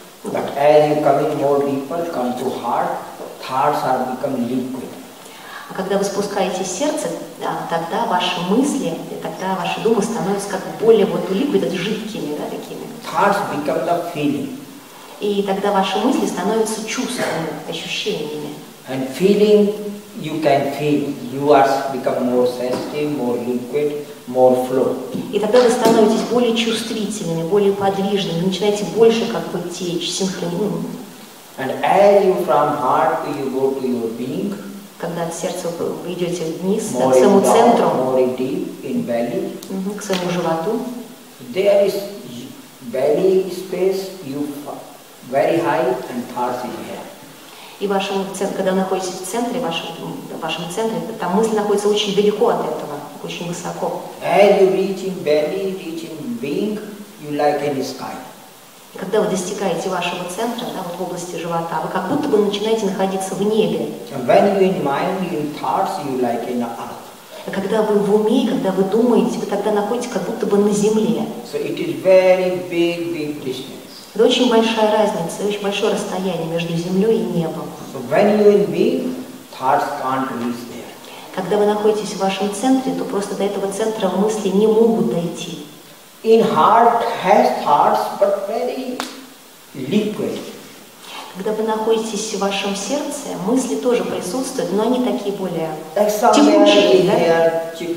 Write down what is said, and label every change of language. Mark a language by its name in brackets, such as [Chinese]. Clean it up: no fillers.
[English] But as you come in more deeper, come to heart, thoughts are become liquid. [Russian] А когда вы спускаетесь в сердце, да, тогда ваши мысли, тогда ваши думы становятся как более вот liquid, жидкими, да, такими. [English] Thoughts become the feeling. [Russian] И тогда ваши мысли становятся чувствами, ощущениями. [English] And feeling, you can feel, you are become more sensitive, more liquid. More flow. [Russian] И тогда вы становитесь более чувствительными, более подвижными, начинаете больше как бы течь, синхронизм. [English] And as you from heart you go to your being. [Russian] когда от сердца вы идете вниз, да, к своему центру, [English] belly, [Russian] к своему животу, [English] there is belly space, you very high and thoughts in here. [Russian] И вашем, когда вы находитесь в центре, в вашем центре, там мысль находится очень далеко от этого, очень высоко. [English] As you reach in belly, reach in being, you like any sky. [Russian] Когда вы достигаете вашего центра, да, вот в области живота, вы как будто бы начинаете находиться в небе. [English] When you in mind, in thoughts, you like in earth. [Russian] А когда вы в уме, когда вы думаете, вы тогда находитесь как будто бы на земле. [English] So it is very big, big distance. [Russian] Это очень большая разница, очень большое расстояние между землей и небом. [English] So when you in being, thoughts can't reach there. [Russian] Когда вы находитесь в вашем центре, то просто до этого центра мысли не могут дойти. [English] In heart has thoughts, but very liquid. [Russian] Когда вы находитесь в вашем сердце, мысли тоже присутствуют, но они такие более текучие, да?